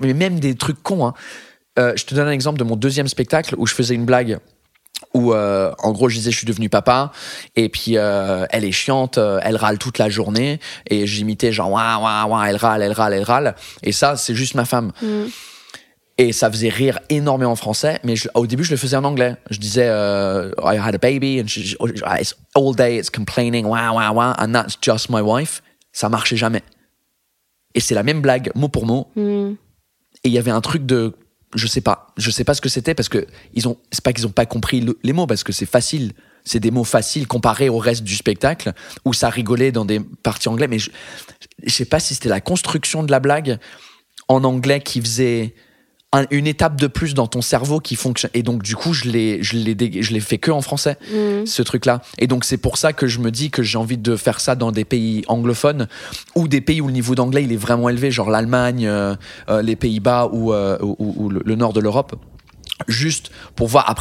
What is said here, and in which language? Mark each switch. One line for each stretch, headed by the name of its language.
French: Mais même des trucs cons, hein. Je te donne un exemple de mon deuxième spectacle où je faisais une blague où, en gros, je disais je suis devenu papa, et puis elle est chiante, elle râle toute la journée, et j'imitais genre waouh, waouh, waouh, elle râle, et ça, c'est juste ma femme. Et ça faisait rire énormément en français, mais au début, je le faisais en anglais. Je disais
English: I had a baby, and it's all day, it's complaining, waouh, waouh, waouh, and that's just my wife.
French: Ça marchait jamais. Et c'est la même blague, mot pour mot. Mm. Et il y avait un truc de. Je sais pas ce que c'était, parce que c'est pas qu'ils ont pas compris les mots, parce que c'est facile, c'est des mots faciles comparés au reste du spectacle où ça rigolait dans des parties anglais, mais je sais pas si c'était la construction de la blague en anglais qui faisait une étape de plus dans ton cerveau qui fonctionne, et donc du coup je l'ai fait que en français, ce truc là et donc c'est pour ça que je me dis que j'ai envie de faire ça dans des pays anglophones ou des pays où le niveau d'anglais il est vraiment élevé, genre l'Allemagne, les Pays-Bas ou le nord de l'Europe, juste pour voir.